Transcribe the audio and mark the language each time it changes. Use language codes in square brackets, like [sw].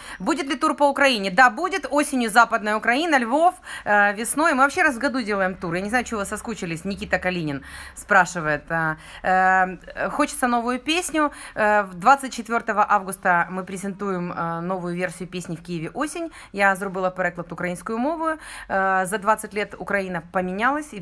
[ru] Будет ли тур по Украине? Да, будет. Осенью Западная Украина, Львов, весной. Мы вообще раз в году делаем тур. Я не знаю, чего вы соскучились. Никита Калинин спрашивает. Хочется новую песню. 24 августа мы презентуем новую версию песни «В Києві осінь». [uk] Я зробила переклад українською мовою. [ru] За 20 лет Украина поменялась.